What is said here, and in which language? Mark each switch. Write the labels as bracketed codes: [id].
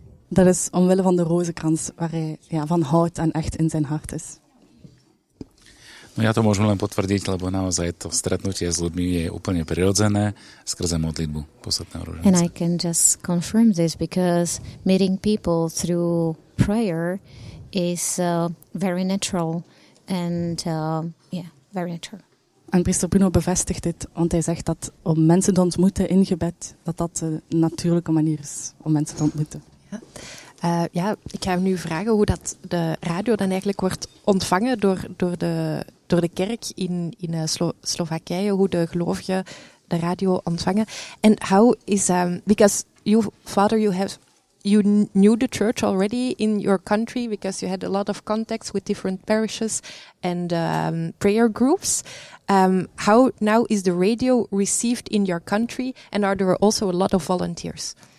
[nl] Dat is omwille van de rozenkrans waar hij ja, van houdt en echt in zijn hart is. [sk] No ja to môžem len potvrdiť, lebo naozaj to stretnutie s ľuďmi je úplne prirodzené skrze modlitbu posvätného ruženca. [en] And I can just confirm this because meeting people through prayer is very natural and very natural. [nl] En priester Bruno bevestigt dit, want hij zegt dat om mensen te ontmoeten in gebed, dat de natuurlijke manier is om mensen te ontmoeten. Ja. Ja, ik ga nu vragen hoe dat de radio dan eigenlijk wordt ontvangen door de kerk in Slowakije, hoe de gelovigen de radio ontvangen. [en] And how is because you, Father, you knew the church already in your country because you had a lot of contacts with different parishes and prayer groups. How now is the radio received in your country, and are there also a lot of volunteers?